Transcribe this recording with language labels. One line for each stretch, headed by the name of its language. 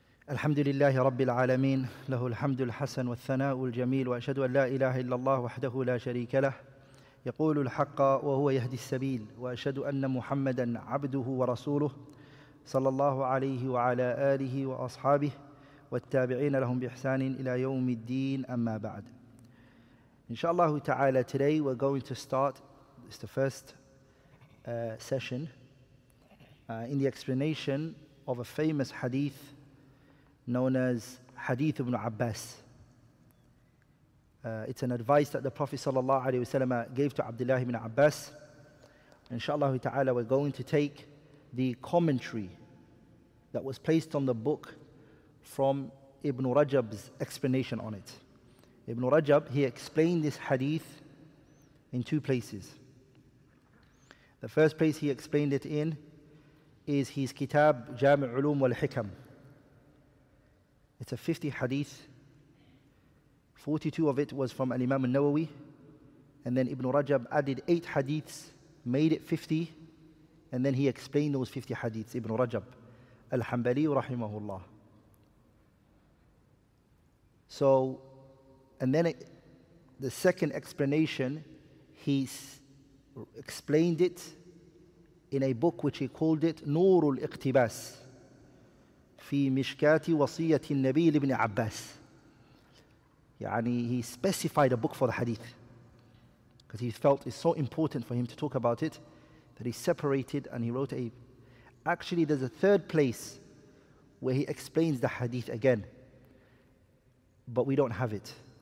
Arabic: الحمد لله رب العالمين له الحمد الحسن والثناء الجميل وأشهد أن لا إله إلا الله وحده لا شريك له يقول الحق وهو يهدي السبيل وأشهد أن محمدا عبده ورسوله صلى الله عليه وعلى آله وأصحابه والتابعين لهم بإحسان إلى يوم الدين أما بعد إن شاء الله تعالى
English: today we're going to start it's the first session in the explanation of a famous hadith known as Hadith ibn Abbas. It's an advice that the Prophet sallallahu alaihi wasallam gave to Abdullah ibn Abbas. Inshallah ta'ala, we're going to take the commentary that was placed on the book from Ibn Rajab's explanation on it. Ibn Rajab, he explained this hadith in two places. The first place he explained it in is his kitab Jami' Ulum wal Hikam. It's a 50 hadith, 42 of it was from Al-Imam al-Nawawi, and then Ibn Rajab added 8 hadiths, made it 50, and then he explained those 50 hadiths, Ibn Rajab, Al-Hanbali rahimahullah. So, and then the second explanation, he explained it in a book which he called it Nurul Iqtibas.
Arabic: في مشكات وصية النبي لابن عباس.
English: يعني he specified a book for the hadith because he felt it's so important for him to talk about it that he separated and he wrote a. Actually, there's a third place where he explains the hadith again, but we don't have it.